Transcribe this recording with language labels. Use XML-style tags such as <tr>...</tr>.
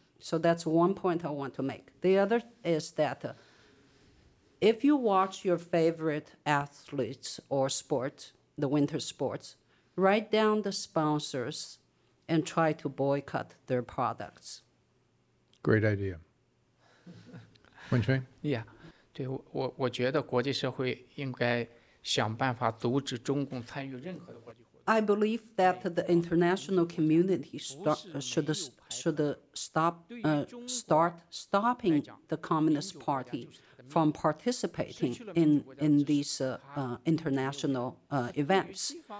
<en>So that's one point I want to make. The other is that if you watch your favorite athletes or sports, the winter sports, write down the sponsors and try to boycott their products. Great idea. Guangcheng? Yeah.</en> <zh>对，我觉得国际社会应该想办法阻止中共参与任何的国际活动。</zh> <en>I believe that the international community should stop the Communist Party from participating in these international events.</en>